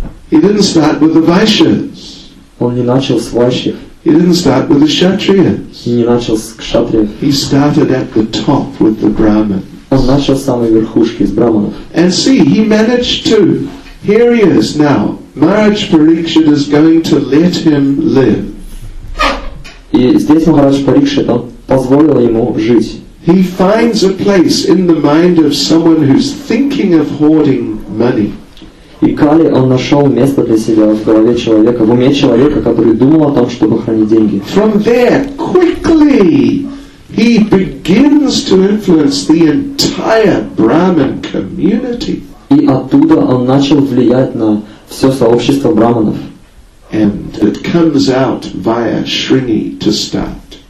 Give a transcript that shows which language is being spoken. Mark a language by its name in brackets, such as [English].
[English] He didn't start with the Vaishyas. [Russian] Он не начал с Вайшьев. [English] He didn't start with the Kshatriyas. [Russian] И не начал с Кшатриев. [English] He started at the top with the Brahmins. [Russian] Он начал с самой верхушки, с Брахманов. [English] And see, he managed to. Here he is now. Maharaj Parikshit is going to let him live. [Russian] И здесь Махарадж Парикшит позволил ему жить. [English] He finds a place in the mind of someone who's thinking of hoarding money. [Russian] И Кали, он нашел место для себя в голове человека, в уме человека, который думал о том, чтобы хранить деньги. [English] From there, quickly, he begins to influence the entire Brahmin community. [Russian] И оттуда он начал влиять на все сообщество браманов. [English] And it comes out via Shringi to start.